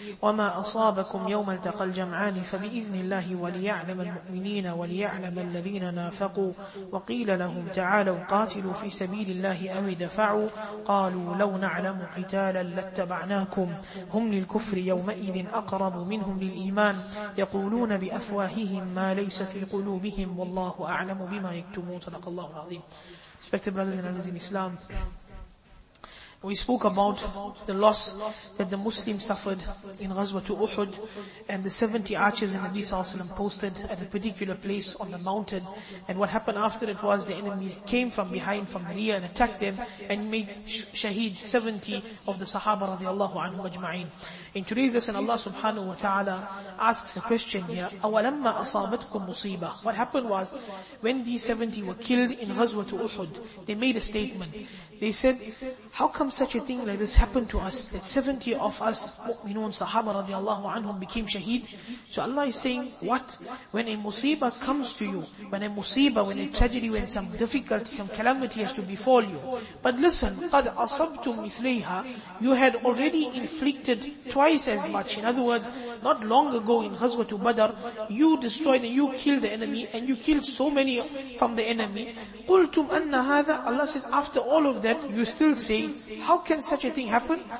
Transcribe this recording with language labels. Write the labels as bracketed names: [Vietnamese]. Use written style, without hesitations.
[Arabic] وما أصابكم يوم التقى الجمعان فبإذن الله وليعلم المؤمنين وليعلم الذين نافقوا وقيل لهم تعالوا قاتلوا في سبيل الله أو دفعوا قالوا لو نعلم قتالا لاتبعناكم هم للكفر يومئذ أقرب منهم للإيمان يقولون بأفواههم ما ليس في قلوبهم والله أعلم بما يكتمون صدق الله العظيم. [English] Respected brothers and sisters in Islam, we spoke about the loss that the Muslims suffered in Ghazwat Uhud and the 70 archers in the Nabi Sallallahu Alaihi Wasallam posted at a particular place on the mountain. And what happened after it was the enemy came from behind, from the rear, and attacked them and made shaheed 70 of the Sahaba radiallahu anhu ajma'in. In today's lesson, Allah subhanahu wa ta'ala asks a question here. [Arabic] أَوَلَمَّا أَصَابَتْكُمْ مُصِيبَةً. [English] What happened was, when these 70 were killed in Ghazwat Uhud, they made a statement. They said, how come such a thing like this happened to us, that 70 of us, mu'minun, sahaba radiallahu anhum, became shaheed? So Allah is saying, what? When a musibah comes to you, when a musibah, when a tragedy, when some difficulty, some calamity has to befall you. But listen, [Arabic] قَدْ أَصَبْتُمْ مِثْلَيْهَا. [English] You had already inflicted twice as much. In other words, not long ago in Ghazwat Badr, you destroyed and you killed the enemy, and you killed so many from the enemy. [Arabic] قُلْتُمْ أَنَّ هَذَا. [English] Allah says, after all of that, you still say, how can such a thing happen?